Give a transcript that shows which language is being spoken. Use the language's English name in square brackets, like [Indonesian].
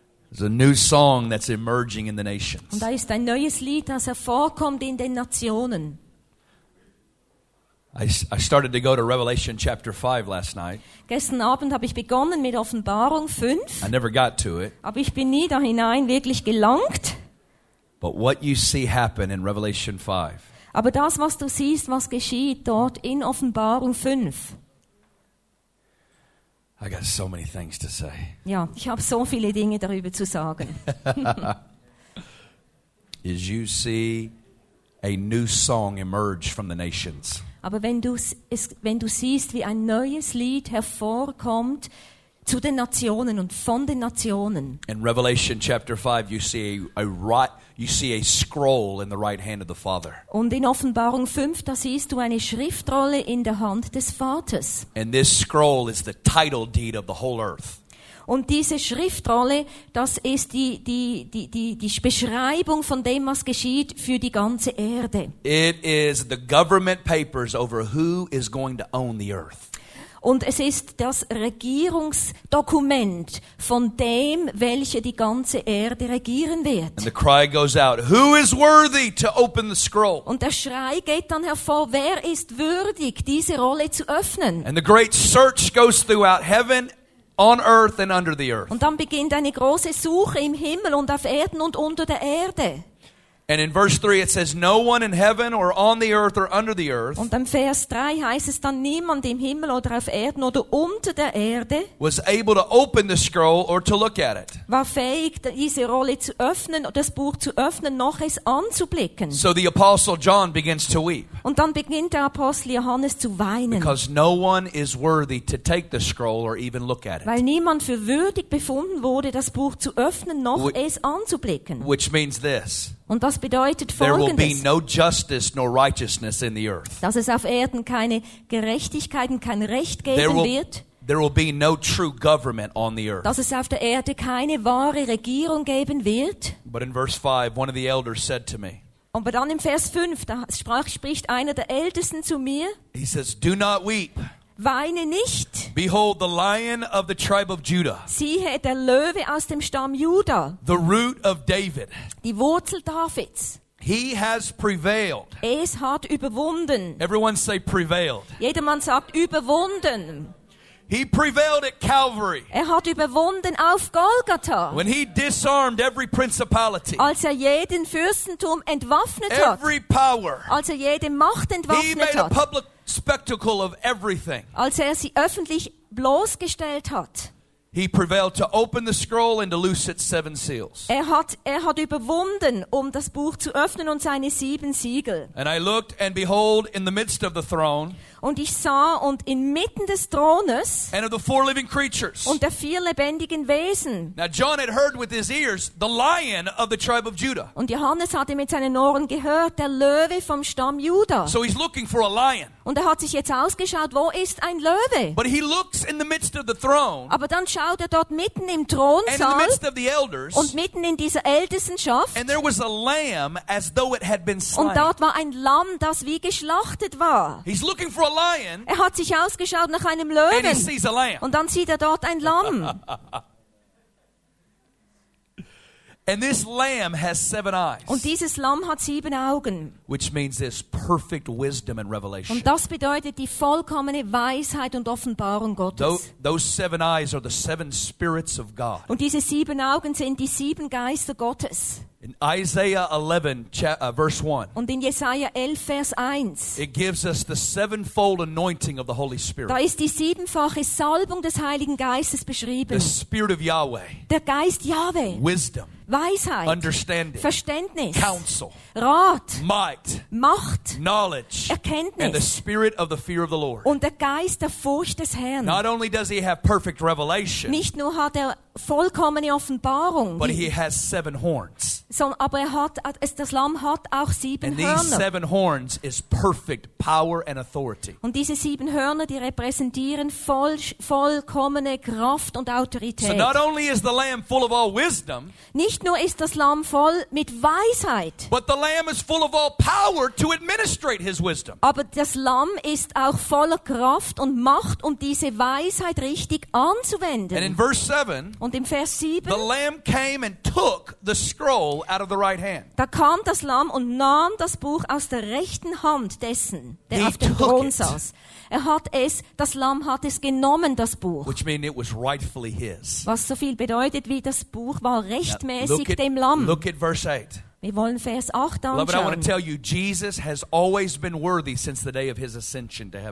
[English] There's a new song that's emerging in the nations. [German] Und da ist ein neues Lied, das hervorkommt in den Nationen. [English] I started to go to Revelation chapter 5 last night. [German] Gestern Abend habe ich begonnen mit Offenbarung 5. [English] I never got to it. [German] Aber ich bin nie da hinein wirklich gelangt. [English] But what you see happen in Revelation 5. [German] Aber das, was du siehst, was geschieht dort in Offenbarung 5. [English] I got so many things to say. [German] Ja, ich habe so viele Dinge darüber zu sagen. [English] As you see a new song emerge from the nations. [German] Aber wenn du siehst, wie ein neues Lied hervorkommt zu den Nationen und von den Nationen. [English] In Revelation chapter 5 you see a scroll in the right hand of the Father. [German] Und in Offenbarung 5 da siehst du eine Schriftrolle in der Hand des Vaters. [English] And this scroll is the title deed of the whole earth. [German] Und diese Schriftrolle, das ist die Beschreibung von dem, was geschieht für die ganze Erde. [English] It is the government papers over who is going to own the earth. [German] Und es ist das Regierungsdokument von dem, welcher die ganze Erde regieren wird. [English] And the cry goes out, who is worthy to open the scroll? [German] Und der Schrei geht dann hervor, wer ist würdig, diese Rolle zu öffnen? [English] And the great search goes throughout heaven. On earth and under the earth. [German] Und dann beginnt eine große Suche im Himmel und auf Erden und unter der Erde. [English] And in verse 3 it says no one in heaven or on the earth or under the earth. [German] Und im Vers 3 heißt es dann niemand im Himmel oder auf Erden oder unter der Erde [English] was able to open the scroll or to look at it. [German] War fähig diese Rolle zu öffnen oder das Buch zu öffnen noch es anzublicken. [English] So the apostle John begins to weep. [German] Und dann beginnt der Apostel Johannes zu weinen. [English] Because no one is worthy to take the scroll or even look at it. [German] Weil niemand für würdig befunden wurde das Buch zu öffnen noch es anzublicken. [English] Which means this. [German] Und das bedeutet folgendes. [English] There will be no justice nor righteousness in the earth. [German] Dass es auf Erden keine Gerechtigkeit und kein Recht geben wird. [English] There will be no true government on the earth. [German] Dass es auf der Erde keine wahre Regierung geben wird. [English] But in verse 5, one of the elders said to me. [German] Aber dann im Vers 5, da spricht einer der Ältesten zu mir. [English] He says, do not weep. [German] Weine nicht. [English] Behold, the Lion of the tribe of Judah. [German] Siehe, der Löwe aus dem Stamm Judah. [English] The root of David. [German] Die Wurzel Davids. [English] He has prevailed. [German] Es hat überwunden. [English] Everyone say prevailed. [German] Jedermann sagt überwunden. [English] He prevailed at Calvary. [German] Er hat überwunden auf Golgatha. [English] When he disarmed every principality. [German] Als er jeden Fürstentum entwaffnet hat. [English] Every power. [German] Als er jede Macht entwaffnet hat. [English] He made a public spectacle of everything. [German] Als er sie öffentlich bloßgestellt hat. [English] He prevailed to open the scroll and to loose its seven seals. [German] Er hat überwunden, um das Buch zu öffnen und seine sieben Siegel. [English] And I looked, and behold, in the midst of the throne. [German] Und ich sah und inmitten des Thrones. [English] And of the four living creatures. [German] Und der vier lebendigen Wesen. [English] Now John had heard with his ears the lion of the tribe of Judah. [German] Und Johannes hatte mit seinen Ohren gehört der Löwe vom Stamm Juda. [English] So he's looking for a lion. [German] Und hat sich jetzt ausgeschaut, wo ist ein Löwe? [English] But he looks in the midst of the throne. [German] Aber dann schaut dort mitten im Thronsaal. [English] And in the midst of the elders. [German] Und mitten in dieser Ältestenschaft. [English] And there was a lamb as though it had been slain. [German] Und dort war ein Lamm, das wie geschlachtet war. [English] He's looking for a lion. [German] Er hat sich ausgeschaut nach einem Löwen. [English] And he sees a lamb. [German] Und dann sieht dort ein Lamm. [English] And this lamb has seven eyes. [German] Und dieses Lamm hat sieben Augen. [English] Which means this perfect wisdom and revelation. [German] Und das bedeutet die vollkommene Weisheit und Offenbarung Gottes. [English] Those seven eyes are the seven spirits of God. [German] Und diese sieben Augen sind die sieben Geister Gottes. [English] In Isaiah 11, verse 1. [German] Und in Jesaja 11, Vers 1. [English] It gives us the sevenfold anointing of the Holy Spirit. [German] Da ist die siebenfache Salbung des Heiligen Geistes beschrieben. [English] The Spirit of Yahweh. [German] Der Geist Yahweh. [English] Wisdom. [German] Weisheit. [English] Understanding. [German] Verständnis. [English] Counsel. [German] Rat. [English] Might. [German] Macht. [English] Knowledge. [German] Erkenntnis. [English] And the Spirit of the fear of the Lord. [German] Und der Geist der Furcht des Herrn. [English] Not only does he have perfect revelation. [German] Nicht nur hat vollkommene Offenbarung. [English] But he has seven horns. [German] Das Lamm hat auch sieben Hörner. [English] And these seven horns is perfect power and authority. [German] Und diese sieben Hörner, die repräsentieren vollkommene Kraft und Autorität. [English] So not only is the lamb full of all wisdom. [German] Nicht nur ist das Lamm voll mit Weisheit. [English] But the lamb is full of all power to administrate his wisdom. [German] Aber das Lamm ist auch voller Kraft und Macht, um diese Weisheit richtig anzuwenden. [English] And in verse 7. [German] Und im Vers 7. [English] The lamb came and took the scroll out of the right hand. [German] Da kam das Lamm und nahm das Buch aus der rechten Hand dessen, der [English] he [German] auf dem Thron saß. Das Lamm hat es genommen, das Buch. [English] Which means it was rightfully his. [German] Was so viel bedeutet, wie das Buch war rechtmäßig dem Lamm. [English] Look at verse 8. [German] Wir wollen Vers 8 anschauen. [English] Beloved, I want to tell you, Jesus has always been worthy since the day of his ascension to heaven.